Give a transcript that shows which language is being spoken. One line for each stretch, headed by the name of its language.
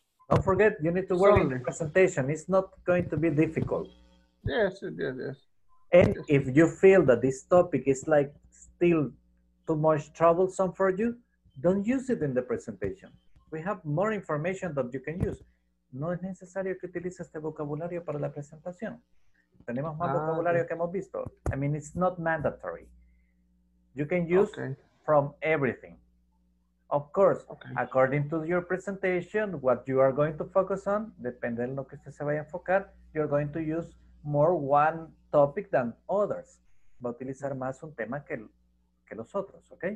English: Don't forget, you need to work on the presentation. It's not going to be difficult. Yes. And if you feel that this topic is like still too much troublesome for you, don't use it in the presentation. We have more information that you can use.
Spanish: No es necesario que utilice este vocabulario para la presentación. Tenemos más vocabulario que hemos visto.
English: I mean, it's not mandatory. You can use from everything. Of course, according to your presentation, what you are going to focus on,
Spanish: depende de lo que usted se vaya a enfocar,
English: you're going to use more one topic than others.
Spanish: Va a utilizar más un tema que los otros, ¿ok?